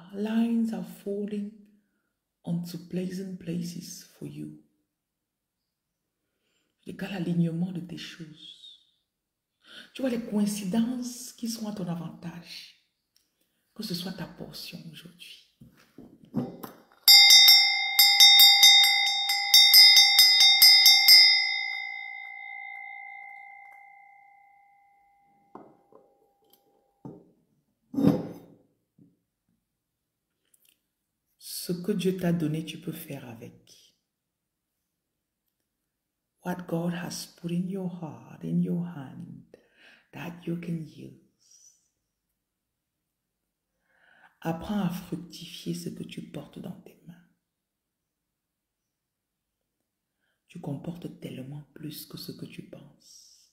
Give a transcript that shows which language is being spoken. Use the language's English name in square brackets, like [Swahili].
[English] Lines are falling onto pleasant places for you. [French] Regarde l'alignement de tes choses. Tu vois les coïncidences qui sont à ton avantage. Que ce soit ta portion aujourd'hui. Ce que Dieu t'a donné, tu peux faire avec. [English] What God has put in your heart, in your hand, that you can use. [French] Apprends à fructifier ce que tu portes dans tes mains. Tu comportes tellement plus que ce que tu penses.